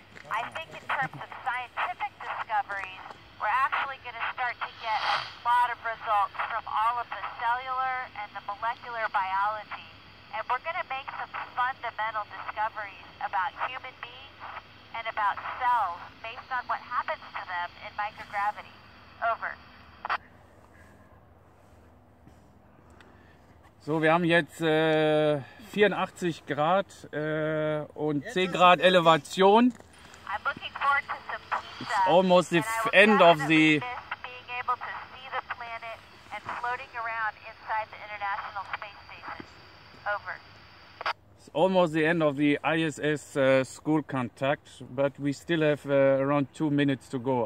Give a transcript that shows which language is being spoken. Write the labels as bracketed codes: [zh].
[en] I think in terms of scientific discoveries, we're actually going to start to get a lot of results from all of the cellular and the molecular biology. And we're going to make some fundamental discoveries about human beings and about cells based on what happens to them in microgravity. Over. [de] So, wir haben jetzt 84 Grad und 10 Grad Elevation. [en] I'm looking forward to some pizza. It's almost the end of the... being able to see the planet and floating around inside the International Space Station. Over. It's almost the end of the ISS school contact, but we still have around 2 minutes to go.